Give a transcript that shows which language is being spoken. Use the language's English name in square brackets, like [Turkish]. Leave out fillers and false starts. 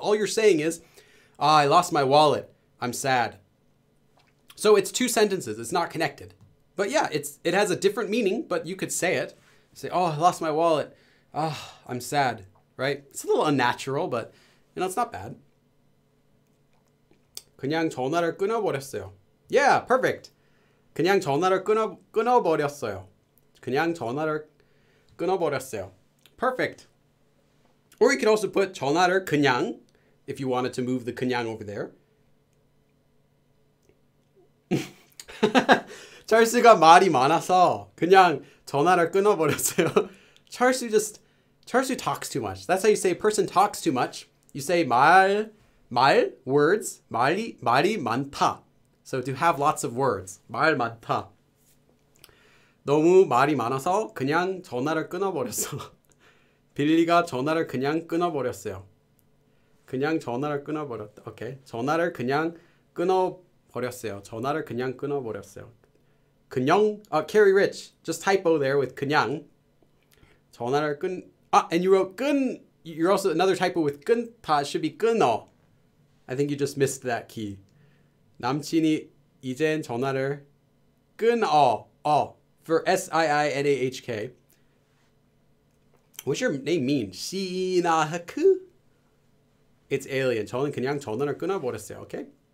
[English] All you're saying is I lost my wallet. I'm sad. So it's two sentences. It's not connected. But yeah, it has a different meaning, but you could say it. Say, oh, I lost my wallet. Oh, I'm sad, right? It's a little unnatural, but you know, it's not bad. [Korean] 그냥 전화를 끊어버렸어요. [English] Yeah, perfect. [Korean] 그냥 전화를 끊어버렸어요. 그냥 전화를 끊어버렸어요. [English] Perfect. Or you could also put [Korean] 전화를 그냥 [English] if you wanted to move the 그냥 over there. [Korean] 찰스가 말이 많아서 그냥 전화를 끊어버렸어요. [English] Charsu talks too much. That's how you say a person talks too much. You say 말, words, [Korean] 말이 많다. [English] So to have lots of words, [Korean] 말 많다. 너무 말이 많아서 그냥 전화를 끊어버렸어. 빌리가 전화를 그냥 끊어버렸어요. 그냥 전화를 끊어버렸다. [English] Okay. [Korean] 전화를 그냥 끊어버렸어요. 전화를 그냥 끊어버렸어요. [English] 그냥, Carrie Rich, just typo there with 그냥. [Korean] 전화를 끊, [English] and you wrote 끈, you're also another typo with 끊다, should be 끊어. I think you just missed that key. [Korean] 남친이 이젠 전화를 끊어, 어, [English] for S-I-I-N-A-H-K. What's your name mean? [Korean] 시나하크? [English] It's alien. [Korean] 저는 그냥 전화를 끊어버렸어요, okay?